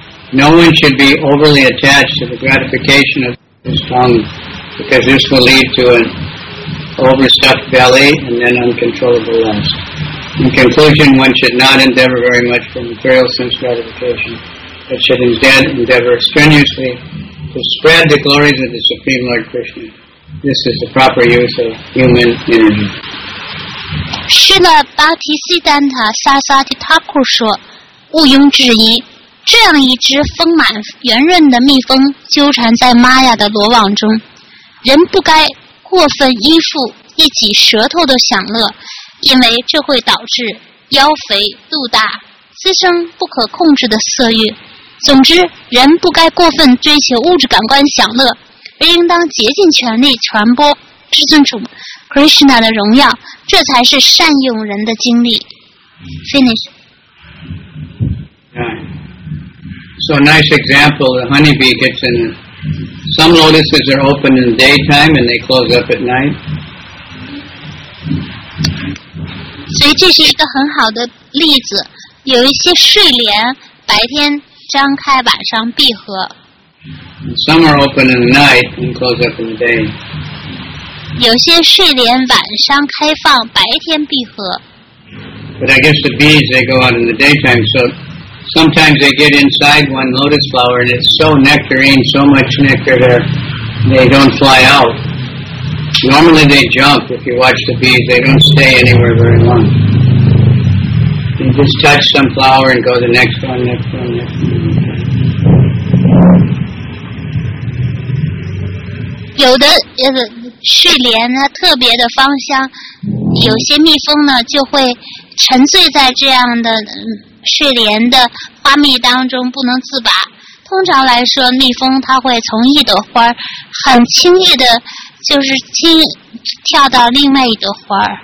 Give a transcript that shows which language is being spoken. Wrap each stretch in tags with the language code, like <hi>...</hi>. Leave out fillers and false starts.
<en>No one should be overly attached to the gratification of his tongue, because this will lead to an overstuffed belly and then uncontrollable lust. In conclusion, one should not endeavor very much for material sense gratification, but should instead endeavor strenuously to spread the glories of the Supreme Lord Krishna. This is the proper use of human energy.</en> <zh>是的，巴提西丹塔萨萨提塔库说，毋庸置疑，这样一只丰满圆润的蜜蜂纠缠在玛雅的罗网中，人不该过分依附一己舌头的享乐，因为这会导致腰肥肚大，滋生不可控制的色欲。总之，人不该过分追求物质感官享乐，而应当竭尽全力传播至尊主 Krishna 的荣耀，这才是善用人的精力。</zh> <en>Finish. So a nice example, the honeybee gets in. Some lotuses are open in the daytime and they close up at night.</en> <zh>所以这是一个很好的例子，有一些睡莲白天张开，晚上闭合。</zh> <en>Some are open in the night and close up in the day.</en> <zh>有些睡莲晚上开放，白天闭合。</zh> <en>But I guess the bees, they go out in the daytime, so sometimes they get inside one lotus flower and it's so nectarine, so much nectar there, they don't fly out. Normally they jump. If you watch the bees, they don't stay anywhere very long. They just touch some flower and go to the next one, next one, next one.</en> <zh>有的睡莲呢特别的芳香，有些蜜蜂呢就会沉醉在这样的睡莲的花蜜当中不能自拔。通常来说，蜜蜂它会从一朵花很轻易的就是跳到另外一朵花。</zh>